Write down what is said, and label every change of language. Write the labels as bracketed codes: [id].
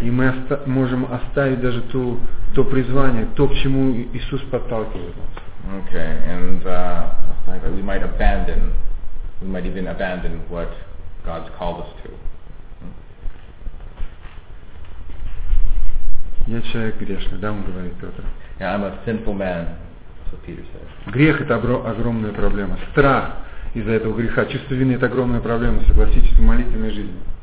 [ru] И мы можем оставить даже то призвание, то, к чему Иисус подталкивает нас. [en] Okay, and we might even abandon what God's called us to. [ru] Я человек грешный, да, он говорит Петр. [en] Yeah, I'm a sinful man, so Peter says. [ru] Грех — это огромная проблема. Страх из-за этого греха, чувство вины — это огромная проблема, согласитесь, в молитвенной жизни.